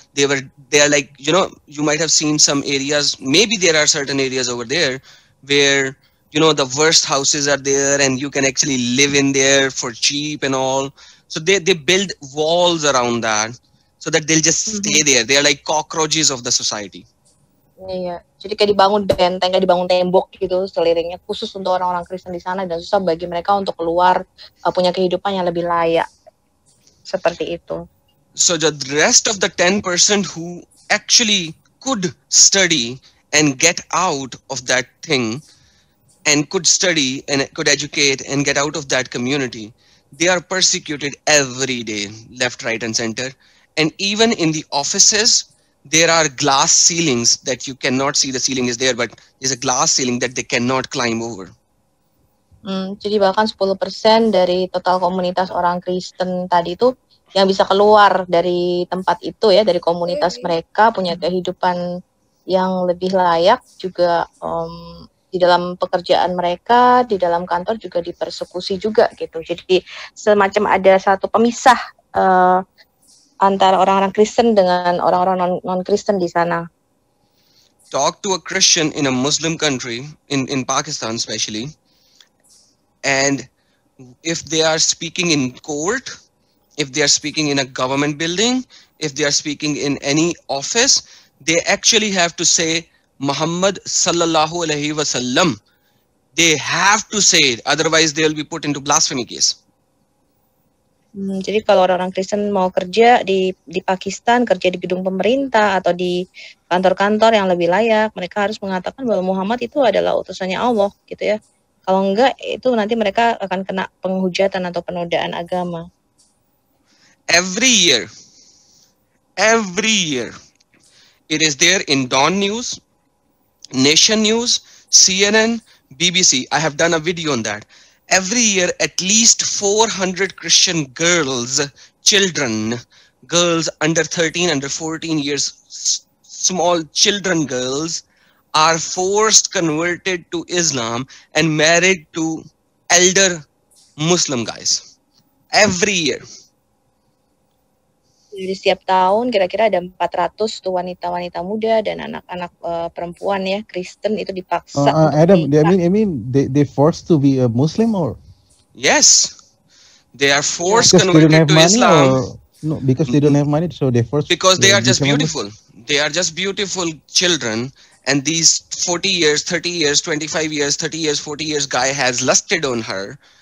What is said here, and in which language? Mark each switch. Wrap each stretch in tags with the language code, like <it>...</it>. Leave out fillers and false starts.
<en>They are like, you know, you might have seen some areas, maybe there are certain areas over there where, you know, the worst houses are there and you can actually live in there for cheap and all. So they build walls around that so that they'll just stay there. They are like cockroaches of the society.</en> <id>Iya, jadi kayak dibangun benteng, kayak dibangun tembok gitu selirinya khusus untuk orang-orang Kristen di sana, dan susah bagi mereka untuk keluar punya kehidupan yang lebih layak seperti itu.</id> <en>So the rest of the 10% who actually could study and get out of that thing and could study and could educate and get out of that community, they are persecuted every day, left, right, and center, and even in the offices. There are glass ceilings that you cannot see. The ceiling is there, but there's a glass ceiling that they cannot climb over.</en> <id>Jadi bahkan 10% dari total komunitas orang Kristen tadi itu yang bisa keluar dari tempat itu ya, dari komunitas mereka punya kehidupan yang lebih layak juga di dalam pekerjaan mereka, di dalam kantor juga dipersekusi juga gitu. Jadi semacam ada satu pemisah antara orang-orang Kristen dengan orang-orang non-Kristen di sana.</id> <en>Talk to a Christian in a Muslim country, in Pakistan especially, and if they are speaking in court, if they are speaking in a government building, if they are speaking in any office, they actually have to say Muhammad</en> <ar>sallallahu alaihi wasallam.</ar> <en>They have to say it, otherwise they will be put into blasphemy case.</en> <id>Jadi kalau orang-orang Kristen mau kerja di Pakistan, kerja di gedung pemerintah atau di kantor-kantor yang lebih layak, mereka harus mengatakan bahwa Muhammad itu adalah utusannya Allah, gitu ya. Kalau enggak, itu nanti mereka akan kena penghujatan atau penodaan agama.</id> <en>Every year, it is there in Dawn News, Nation News, CNN, BBC. I have done a video on that. Every year, at least 400 Christian girls, children, girls under 13, under 14 years, small children girls, are forced converted to Islam and married to elder Muslim guys. Every year.</en> <id>Jadi setiap tahun kira-kira ada 400 tuh wanita-wanita muda dan anak-anak perempuan ya Kristen itu dipaksa.</id> <en>Adam, I mean they forced to be a Muslim or? Yes. They are forced converted to Islam. No, because they don't have money, so they first. Because they are just beautiful. They are just beautiful children. And these 40 years, 30 years, 25 years, 30 years, 40 years guy has lusted on her.</en>